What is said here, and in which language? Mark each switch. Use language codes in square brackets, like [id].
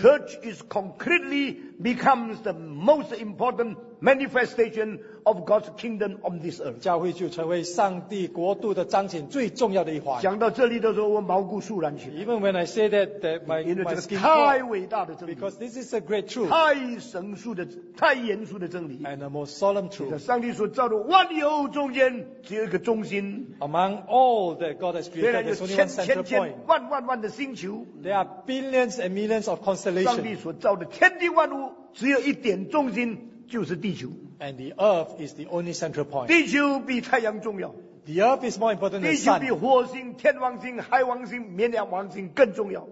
[en] the church is concretely becomes the most important manifestation of God's kingdom on this earth. [zh] 教会就成为上帝国度的彰显最重要的一环。讲到这里的时候，我毛骨悚然起来。 [en] Even when I say that my skin goes, [zh] 太伟大的真理, [en] because this is a great truth, [zh] 太神速的, 太严肃的真理, [en] and a most solemn truth. [zh] 上帝所造的万有中间, 只有一个中心, [en] among all that God has created, there's only one center point. [zh] 千千万万万的星球, [en] there are billions and millions of constellations. [zh] 上帝所造的天地万物, 只有一点中心, [en] and the earth is the only central point. The earth is more important than the sun. [zh] 地球比火星, 天王星, 海王星, 绵羊王星更重要,